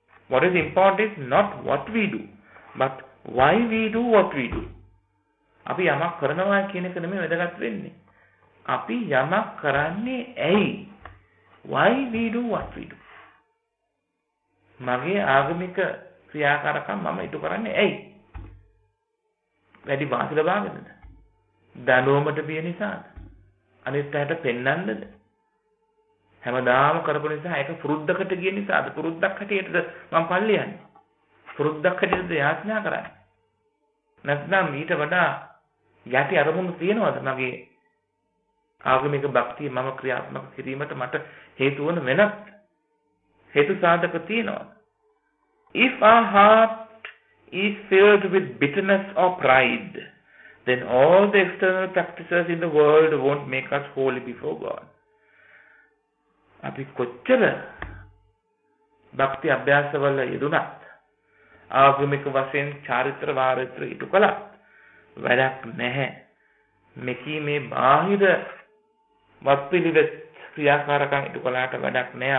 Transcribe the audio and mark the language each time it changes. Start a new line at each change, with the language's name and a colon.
English: What is important is not what we do, but why we do what we do.
Sinhala: අපි යමක් කරනවා කියන එක නෙමෙයි වැදගත් වෙන්නේ. අපි යමක් කරන්නේ ඇයි?
English: Why we do what we do?
Sinhala: මගේ ආගමික ක්‍රියාකාරකම් මම ඉටු කරන්නේ ඇයි? වැඩි වාසි ලබාගන්නද? දඬුවමට බිය නිසාද? අනිත් අයට පෙන්නන්නද? හැමදාම කරපු නිසා ඒක පුරුද්දකට ගිය නිසාද? පුරුද්දක් හැටියටද මම පල්ලි යන්නේ? පුරුද්දක් හැටියටද යාඥා කරන්නේ? නැත්නම් ඊට වඩා යටි අරමුණු තියෙනවද මගේ ආගමික භක්තිය මම ක්‍රියාත්මක කිරීමට මට හේතු වන වෙනත් හේතු සාධක තියෙනවද?
English: If our heart is filled with bitterness or pride, then all the external practices in the world won't make us holy before God.
Sinhala: අපි කොච්චර භක්ති අභ්‍යාසවල යෙදුණත් ආගමික වශයෙන් චාරිත්‍ර වාරිත්‍ර ඉටු කළත් වැඩක් නැහැ. මෙකී මේ බාහිර වස්පිලිවෙත් ක්‍රියාකාරකම් ඉටු කළාට වැඩක් නැහැ.